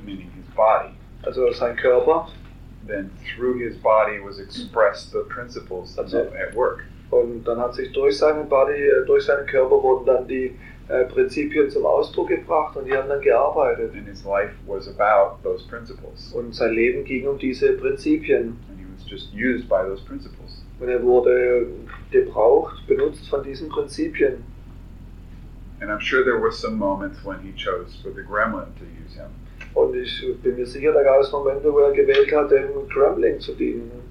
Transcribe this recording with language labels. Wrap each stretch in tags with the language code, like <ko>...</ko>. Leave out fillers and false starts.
<en>meaning his body,</en> <de>also sein Körper,</de> <en>then through his body was expressed the principles</en> <de>also,</de> <en>at work.</en> <de>Und dann hat sich durch seinen Body, durch seinen Körper wurden dann die Prinzipien zum Ausdruck gebracht und die haben dann gearbeitet.</de> <en>And his life was about those principles.</en> <de>Und sein Leben ging um diese Prinzipien.</de> <en>Just used by those principles.</en> <de>Und er wurde gebraucht, benutzt von diesen Prinzipien.</de> <en>And I'm sure there were some moments when he chose for the Gremlin to use him.</en> <de>Und ich bin mir sicher, da gab es Momente, wo er gewählt hat, dem Gremlin zu dienen.</de>